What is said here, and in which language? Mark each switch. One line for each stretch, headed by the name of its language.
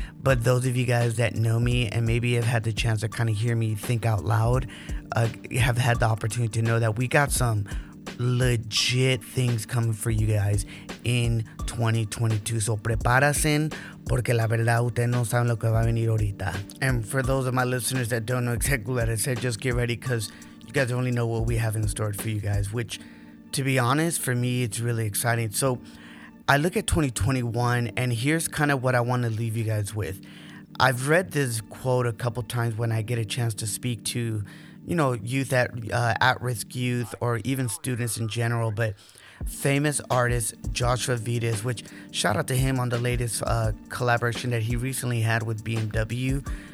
English: But those of you guys that know me and maybe have had the chance to kind of hear me think out loud, have had the opportunity to know that we got some legit things coming for you guys in 2022.
Spanish: So prepárense, porque la verdad ustedes no saben lo que va a venir ahorita.
English: And for those of my listeners that don't know exactly what I said, just get ready because you guys only know what we have in store for you guys, which, to be honest, for me, it's really exciting. So I look at 2021, and here's kind of what I want to leave you guys with. I've read this quote a couple times when I get a chance to speak to, you know, youth at-risk youth or even students in general, but famous artist Joshua Vitas, which shout out to him on the latest collaboration that he recently had with BMW.